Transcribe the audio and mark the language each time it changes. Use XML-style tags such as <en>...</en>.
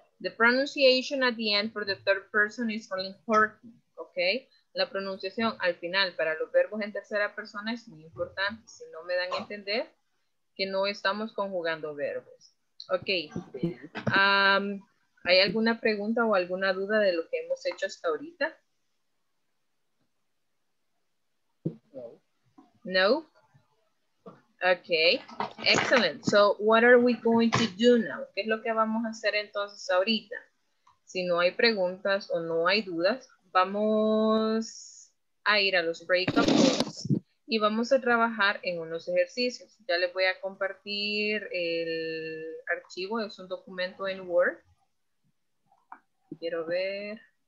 <en>The pronunciation at the end for the third person is really important, okay?</en> <es>La pronunciación al final para los verbos en tercera persona es muy importante. Si no me dan a entender que no estamos conjugando verbos. Okay. ¿Hay alguna pregunta o alguna duda de lo que hemos hecho hasta ahorita? No.</es> <en>No? Okay, excellent. So what are we going to do now?</en> <es>¿Qué es lo que vamos a hacer entonces ahorita? Si no hay preguntas o no hay dudas, vamos a ir a los breakout rooms y vamos a trabajar en unos ejercicios. Ya les voy a compartir el archivo, es un documento en Word. Quiero ver.</es>